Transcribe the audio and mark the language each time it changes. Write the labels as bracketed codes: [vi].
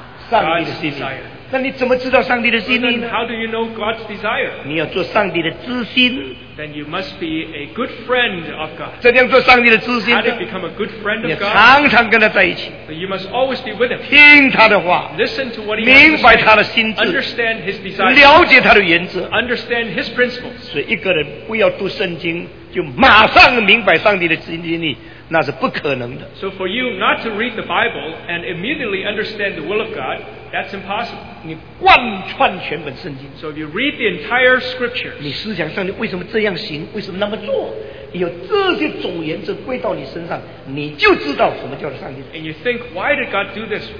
[zh] 上帝的心意，那你怎么知道上帝的心意呢？ [en] Then how do you know God's desire? [zh] 你要做上帝的知心。 [en] Then you must be a good friend of God. [zh] 怎样做上帝的知心？ [en] How do you become a good friend of God? [zh] 你常常跟他在一起。 [en] So you must always be with him. [zh] 听他的话。 [en] Listen to what he [zh] 明白他的心智。 [en] Understand his desire. [zh] 了解他的原则。 [en] Understand his principles. [zh] 所以一个人不要读圣经，就马上明白上帝的心意。 [en] So for you not to read the Bible and immediately understand the will of God, that's impossible. So if you read the entire scriptures, and you think, why did God do this?